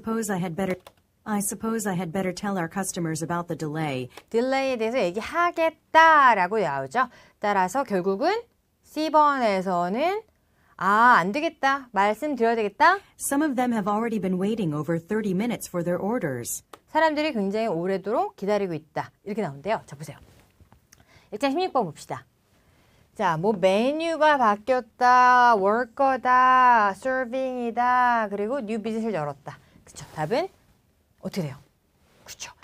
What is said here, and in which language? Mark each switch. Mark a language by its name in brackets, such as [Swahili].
[English] I suppose I had better tell our customers about the delay. [Korean] 딜레이에 대해서 얘기하겠다라고 나오죠. 따라서 결국은 C번에서는 아, 안 되겠다. 말씀드려야 되겠다. [English] Some of them have already been waiting over 30 minutes for their orders. [Korean] 사람들이 굉장히 오래도록 기다리고 있다. 이렇게 나오는데요. 자, 보세요. 일단 16번 봅시다. 자, 뭐 메뉴가 바뀌었다. 워커다. 서빙이다. 그리고 뉴 비즈니스를 열었다. 그렇죠. 답은 어떻게 돼요? 그렇죠.